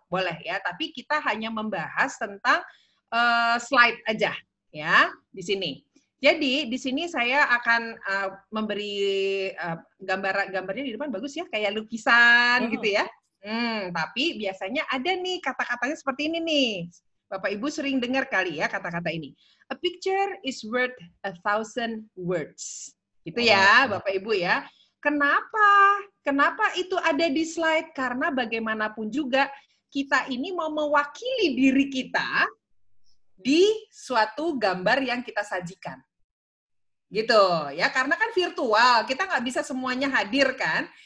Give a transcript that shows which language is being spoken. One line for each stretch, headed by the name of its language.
Indonesian: Boleh ya, tapi kita hanya membahas tentang slide aja ya di sini. Jadi di sini saya akan memberi gambarnya di depan bagus ya, kayak lukisan gitu ya. Tapi biasanya ada nih kata-katanya seperti ini nih. Bapak Ibu sering dengar kali ya kata-kata ini.
English: A picture is worth 1,000 words.
Indonesian: Gitu ya, Bapak Ibu ya. Kenapa? Kenapa itu ada di slide? Karena bagaimanapun juga kita ini mau mewakili diri kita di suatu gambar yang kita sajikan. Gitu ya, karena kan virtual, kita nggak bisa semuanya hadir kan.